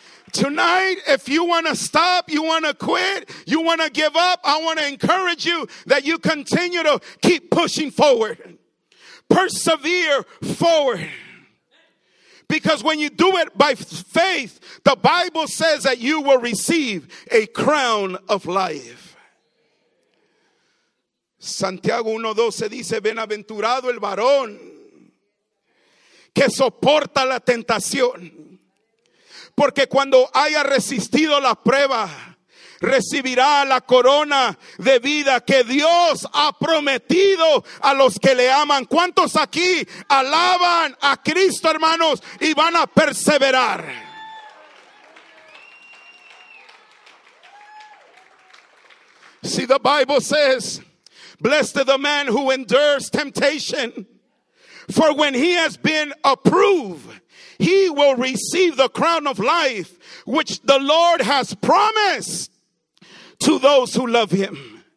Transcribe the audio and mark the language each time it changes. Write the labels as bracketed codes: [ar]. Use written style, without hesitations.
[en] Tonight, if you want to stop, you want to quit, you want to give up, I want to encourage you that you continue to keep pushing forward. Persevere forward. Because when you do it by faith, the Bible says that you will receive a crown of life. [es] Santiago 1:12 dice, bienaventurado el varón que soporta la tentación. Porque cuando haya resistido la prueba, recibirá la corona de vida que Dios ha prometido a los que le aman. ¿Cuántos aquí alaban a Cristo, hermanos, y van a perseverar? [en] See, the Bible says, blessed is the man who endures temptation, for when he has been approved, he will receive the crown of life which the Lord has promised to those who love him.